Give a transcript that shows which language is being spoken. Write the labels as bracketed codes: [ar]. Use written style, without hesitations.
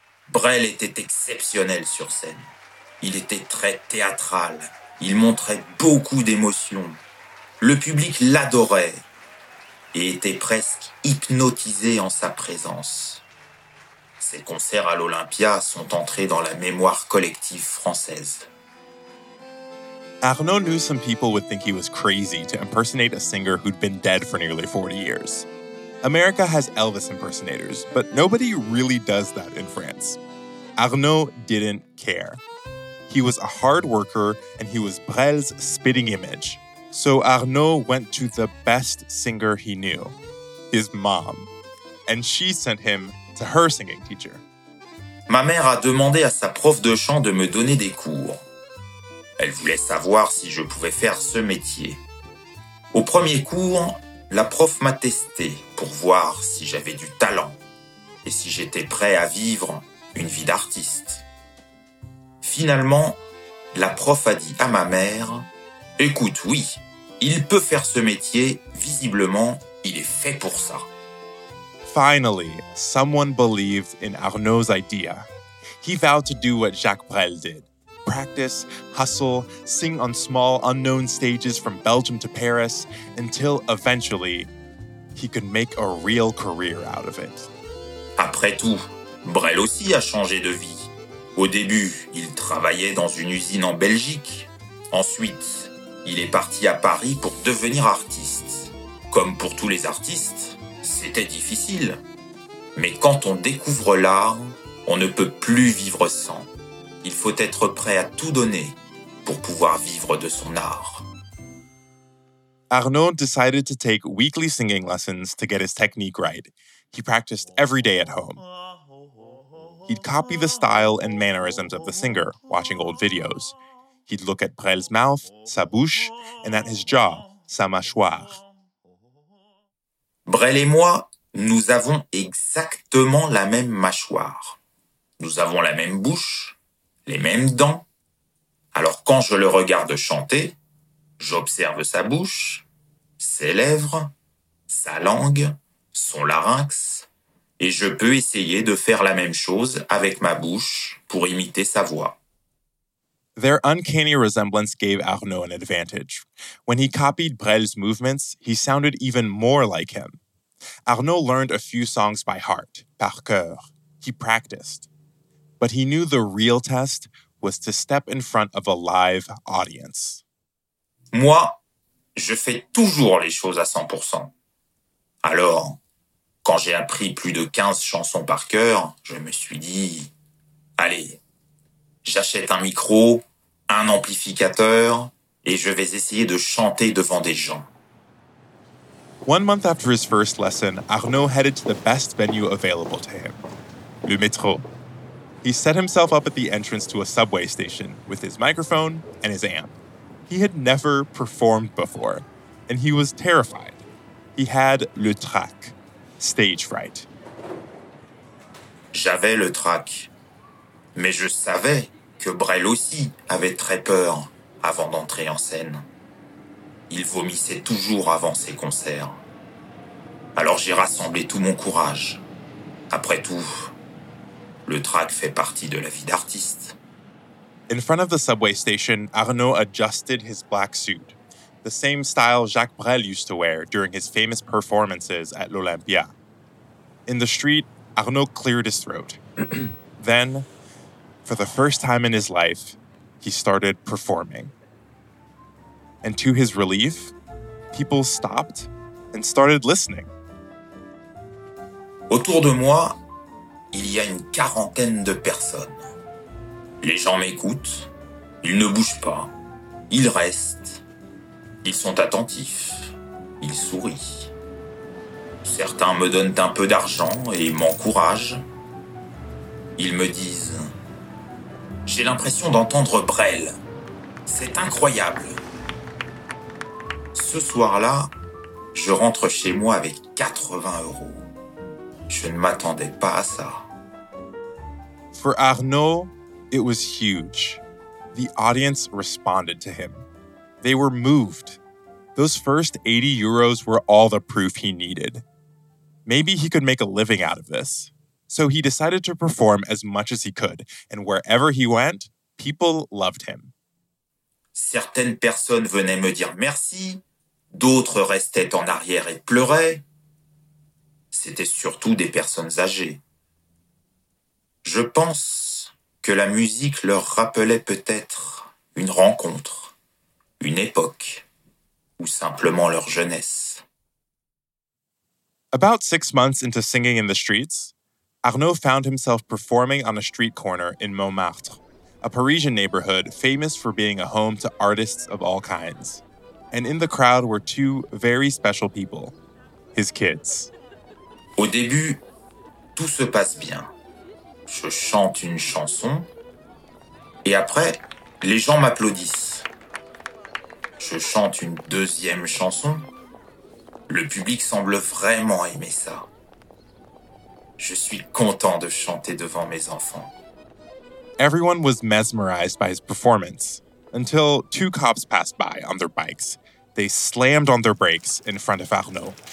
[fr] Brel était exceptionnel sur scène. Il était très théâtral. Il montrait beaucoup d'émotions. Le public l'adorait et était presque hypnotisé en sa présence. Ses concerts à l'Olympia sont entrés dans la mémoire collective française. [en] Arnaud knew some people would think he was crazy to impersonate a singer who'd been dead for nearly 40 years. America has Elvis impersonators, but nobody really does that in France. Arnaud didn't care. He was a hard worker, and he was Brel's spitting image. So Arnaud went to the best singer he knew, his mom. And she sent him to her singing teacher. [fr] Ma mère a demandé à sa prof de chant de me donner des cours. Elle voulait savoir si je pouvais faire ce métier. Au premier cours, la prof m'a testé pour voir si j'avais du talent et si j'étais prêt à vivre une vie d'artiste. Finalement, la prof a dit à ma mère « Écoute, oui, il peut faire ce métier. Visiblement, il est fait pour ça. » [en] Finally, someone believed in Arnaud's idea. He vowed to do what Jacques Brel did. Practice, hustle, sing on small unknown stages from Belgium to Paris, until eventually he could make a real career out of it. [fr] Après tout, Brel aussi a changé de vie. Au début, il travaillait dans une usine en Belgique. Ensuite, il est parti à Paris pour devenir artiste. Comme pour tous les artistes, c'était difficile. Mais quand on découvre l'art, on ne peut plus vivre sans. Il faut être prêt à tout donner pour pouvoir vivre de son art. [en] Arnaud decided to take weekly singing lessons to get his technique right. He practiced every day at home. He'd copy the style and mannerisms of the singer, watching old videos. He'd look at Brel's mouth, [fr] sa bouche, [en] and at his jaw, [fr] sa mâchoire. Brel et moi, nous avons exactement la même mâchoire. Nous avons la même bouche. Les mêmes dents. Alors quand je le regarde chanter, j'observe sa bouche, ses lèvres, sa langue, son larynx, et je peux essayer de faire la même chose avec ma bouche pour imiter sa voix. [en] Their uncanny resemblance gave Arnaud an advantage. When he copied Brel's movements, he sounded even more like him. Arnaud learned a few songs by heart, [fr] par cœur. [en] He practiced. But he knew the real test was to step in front of a live audience. [fr] Moi, je fais toujours les choses à 100%. Alors, quand j'ai appris plus de 15 chansons par cœur, je me suis dit, allez, j'achète un micro, un amplificateur, et je vais essayer de chanter devant des gens. [en] One month after his first lesson, Arnaud headed to the best venue available to him, le métro. He set himself up at the entrance to a subway station with his microphone and his amp. He had never performed before, and he was terrified. He had le trac, stage fright. [fr] J'avais le trac, mais je savais que Brel aussi avait très peur avant d'entrer en scène. il vomissait toujours avant ses concerts. Alors j'ai rassemblé tout mon courage. Après tout, le trac fait partie de la vie d'artiste. [en] In front of the subway station, Arnaud adjusted his black suit, the same style Jacques Brel used to wear during his famous performances at l'Olympia. In the street, Arnaud cleared his throat. Then, for the first time in his life, he started performing. And to his relief, people stopped and started listening. [fr] Autour de moi, il y a une quarantaine de personnes. Les gens m'écoutent, ils ne bougent pas, ils restent, ils sont attentifs, ils sourient. Certains me donnent un peu d'argent et m'encouragent. Ils me disent « J'ai l'impression d'entendre Brel, c'est incroyable !» Ce soir-là, je rentre chez moi avec 80 euros. Je ne m'attendais pas à ça. [en] For Arnaud, it was huge. The audience responded to him. They were moved. Those first 80 euros were all the proof he needed. Maybe he could make a living out of this. So he decided to perform as much as he could, and wherever he went, people loved him. [fr] Certaines personnes venaient me dire merci, d'autres restaient en arrière et pleuraient. C'était surtout des personnes âgées. Je pense que la musique leur rappelait peut-être une rencontre, une époque, ou simplement leur jeunesse. [en] About 6 months into singing in the streets, Arnaud found himself performing on a street corner in Montmartre, a Parisian neighborhood famous for being a home to artists of all kinds. And in the crowd were two very special people, his kids. [fr] Au début, tout se passe bien. Je chante une chanson, et après, les gens m'applaudissent. Je chante une deuxième chanson. Le public semble vraiment aimer ça. Je suis content de chanter devant mes enfants. [en] Everyone was mesmerized by his performance until two cops passed by on their bikes. They slammed on their brakes in front of Arnaud.